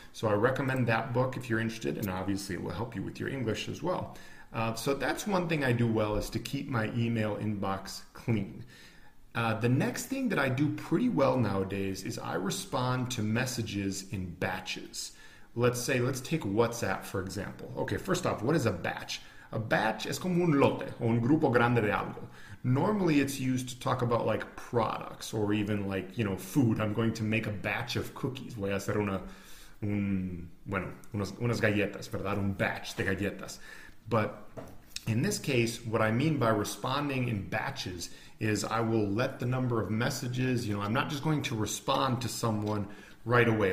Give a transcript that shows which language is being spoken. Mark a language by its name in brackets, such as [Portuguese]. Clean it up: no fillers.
[English] So I recommend that book if you're interested, and obviously it will help you with your English as well. So that's one thing I do well, is to keep my email inbox clean. The next thing that I do pretty well nowadays is I respond to messages in batches. Let's take WhatsApp, for example. Okay, first off, what is a batch? [Spanish] A batch es como un lote, o un grupo grande de algo. [English] Normally, it's used to talk about like products or even like, you know, food. I'm going to make a batch of cookies. [Spanish] Voy a hacer unas galletas, ¿verdad? Un batch de galletas. [English] But in this case, what I mean by responding in batches is I will let the number of messages, you know, I'm not just going to respond to someone right away.